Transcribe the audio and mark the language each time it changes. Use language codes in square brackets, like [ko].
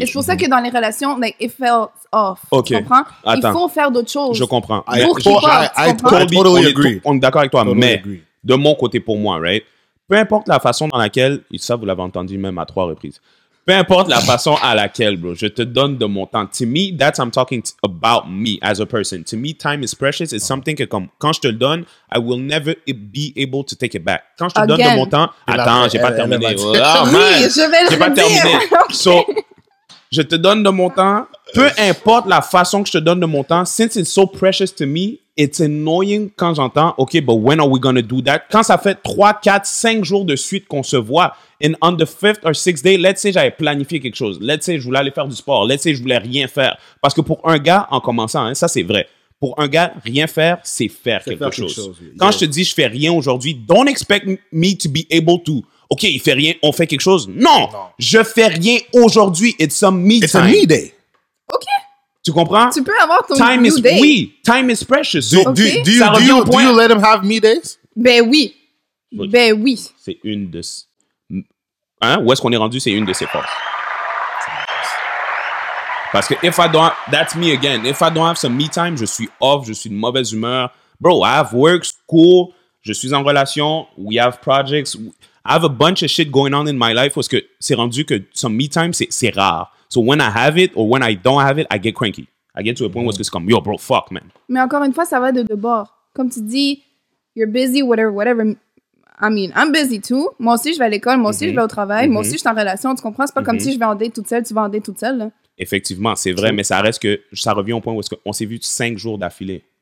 [fr] Et c'est pour ça que dans les relations, like, [en] it felt off. [fr] OK. Tu comprends? Attends. Il faut faire d'autres choses. Je comprends. [en] I totally agree. [fr] On est d'accord avec toi, totally mais agree. De mon côté pour moi, right? Peu importe la façon dans laquelle, et ça, vous l'avez entendu même à 3 reprises. Peu importe la façon à laquelle, bro, je te donne de mon temps. [en] To me, that's I'm talking about me as a person. To me, time is precious. It's something [fr] que comme, quand je te le donne, [en] I will never be able to take it back. [fr] Quand je te [en] Again. [fr] Donne de mon temps, attends, j'ai pas terminé. Oui, je vais le dire. So, je te donne de mon temps. Peu importe la façon que je te donne de mon temps, [en] since it's so precious to me, it's annoying [fr] quand j'entends, OK, [en] but when are we going to do that? [fr] Quand ça fait 3, 4, 5 jours de suite qu'on se voit, [en] and on the 5th or 6th day, let's say [fr] j'avais planifié quelque chose. [en] Let's say [fr] je voulais aller faire du sport. Let's say je voulais rien faire. Parce que pour un gars, en commençant, hein, ça c'est vrai. Pour un gars, rien faire, c'est faire c'est quelque faire chose. Quand je te dis je fais rien aujourd'hui, [en] don't expect me to be able to. [fr] OK, il fait rien, on fait quelque chose. Non, non. Je fais rien aujourd'hui. [en] It's a me time. It's a me day. [fr] OK. Tu comprends? Tu peux avoir ton [en] time new is, day. [fr] Oui, time is precious. [en] Do you let him have me days? [fr] Ben oui. Ben oui. C'est une de... Hein? Où est-ce qu'on est rendu? C'est une de ses forces. [en] Parce que if I don't, that's me again. If I don't have some me time, [fr] je suis off, je suis de mauvaise humeur. [en] Bro, I have work, school, [fr] je suis en relation, [en] we have projects. I have a bunch of shit going on in my life [fr] parce que c'est rendu que [en] some me time, c'est rare. So when I have it or when I don't have it, I get cranky. I get to a point where it's comme, yo, bro, fuck, man. [fr] Mais encore une fois, ça va de bord. Comme tu dis, [en] you're busy, whatever, whatever. I mean, I'm busy too. [fr] Moi aussi, je vais à l'école. Moi aussi, je vais au travail. Moi aussi, je suis en relation. Tu comprends? C'est pas comme si je vais en date toute seule. Tu vas en date toute seule. Là. Effectivement, c'est vrai. Mais ça reste que ça revient au point où est-ce qu'on s'est vu 5 jours d'affilée.